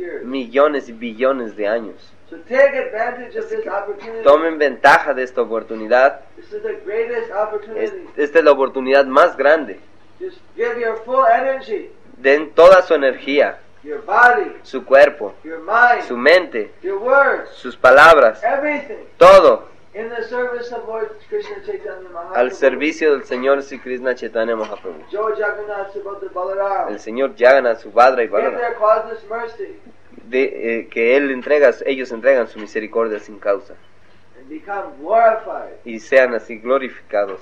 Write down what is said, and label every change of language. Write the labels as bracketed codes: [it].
[es] millones y billones de años. [en] So take advantage of this opportunity. [es] Tomen ventaja de esta oportunidad. [en] This is the greatest opportunity. [es] Esta es la oportunidad más grande. [en] Just give your full energy. [es] Den toda su energía. [en] Your body. [es] Su cuerpo. [en] Your mind. [es] Su mente. [en] Your words. [es] Sus palabras. [en] Everything. [es] Todo. [en] In the service of Lord Krishna Chaitanya Mahaprabhu. [es] Al servicio del Señor Sri Krishna Chaitanya Mahaprabhu. [en] Jo Jagannath Subhadra Balaram. [es] El Señor Jagannath Subhadra y Balaram. [en] Give their causeless mercy. [es] Que él entrega, ellos entregan su misericordia sin causa. [en] And become glorified. [es] Y sean así glorificados.